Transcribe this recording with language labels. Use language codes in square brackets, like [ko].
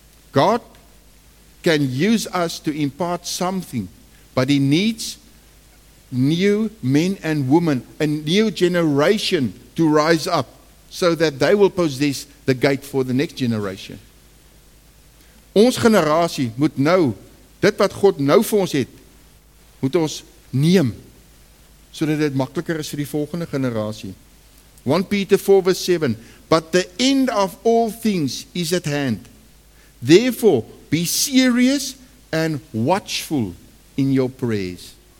[en] God can use us to impart something, but He needs new men and women, a new generation to rise up so that they will possess the gate for the next generation. [af] Ons generasie moet nou, dit wat God nou vir ons het, moet ons neem, sodat dit makliker is vir die volgende generasie. [en] 1 Peter 4 verse 7, but the end of all things is at hand. Therefore, be serious and watchful in your prayers.